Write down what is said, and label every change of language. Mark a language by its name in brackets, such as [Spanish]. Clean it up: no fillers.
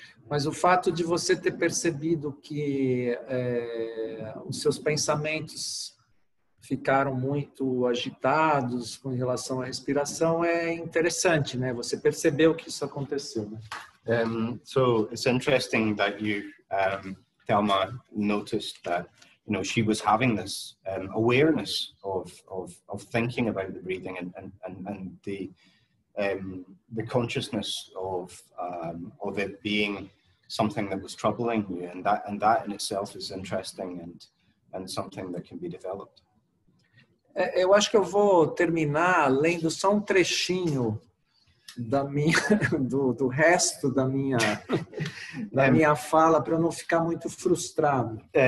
[Portuguese] Mas o fato de você ter percebido que os seus pensamentos ficaram muito agitados com relação à respiração é interessante, né? Você percebeu que isso aconteceu, né? [English] So it's interesting that you, Thelma, noticed that, you know, she was having this awareness of thinking about the breathing and the consciousness of it being something that was troubling you, and that in itself is interesting and something that can be developed. [Portuguese] Eu acho que eu vou terminar lendo só um trechinho da minha, do resto da minha, da minha fala, para não ficar muito frustrado.